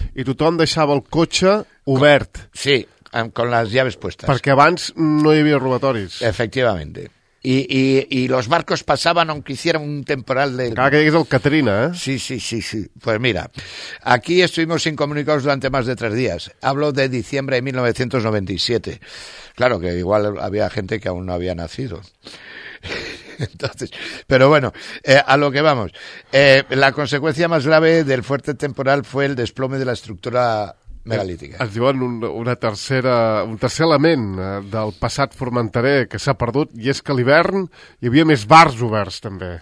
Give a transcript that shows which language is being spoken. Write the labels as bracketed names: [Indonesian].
[Catalan] i tothom deixava el cotxe obert. [Spanish] Sí, con las llaves puestas. [Catalan] Porque abans no hi havia robatoris. [Spanish] Efectivamente. Y los barcos pasaban aunque hiciera un temporal de... Claro que digues el Caterina, ¿eh? Sí, sí, sí, sí. Pues mira, aquí estuvimos incomunicados durante más de tres días. Hablo de diciembre de 1997. Claro que igual había gente que aún no había nacido. Entonces, pero bueno, a lo que vamos. La consecuencia más grave del fuerte temporal fue el desplome de la estructura megalítica. [Catalan] Es diuen un tercer element del passat formenterer que s'ha perdut, i és que a l'hivern hi havia més bars oberts, també.